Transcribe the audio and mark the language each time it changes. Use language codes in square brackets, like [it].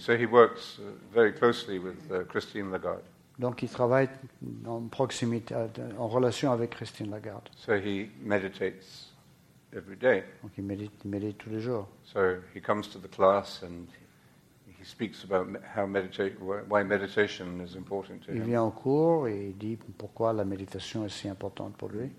[en] So he works very closely with Christine Lagarde. [fr] Donc il travaille en proximité, en relation avec Christine Lagarde. [en] So he meditates every day. [fr] Donc il médite tous les jours. [en] So he comes to the class and he speaks about how why meditation is important to [fr] il [en] him. [fr] Il vient en cours et il dit pourquoi la méditation est si importante pour lui.